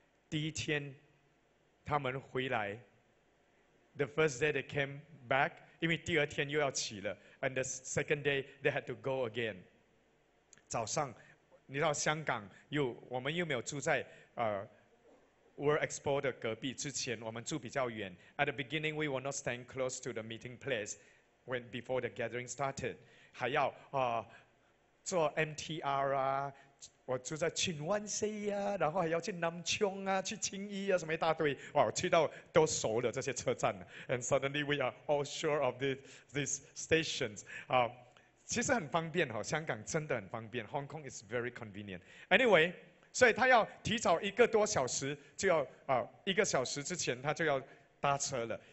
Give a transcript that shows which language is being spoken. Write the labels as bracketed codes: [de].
[zh] 第一天他们回来 [en] The first day they came back [zh] 因为第二天又要起了 [en] ，and the second day they had to go again。 [zh] 早上，你到香港又我们又没有住在World Expo 的隔壁，之前我们住比较远。 [en] At the beginning, we were not staying close to the meeting place when before the gathering started。 [zh] 还要坐 MTR 啊，我住在荃湾西啊，然后还要去南昌啊，去青衣啊，什么一大堆，哇，去到都熟了这些车站。 [en] And suddenly we are all sure of these stations. [zh] 其实很方便哦，香港真的很方便 ， [en] Hong Kong is very convenient. [zh] Anyway, 所以他要提早一个多小时，就要一个小时之前他就要搭车了。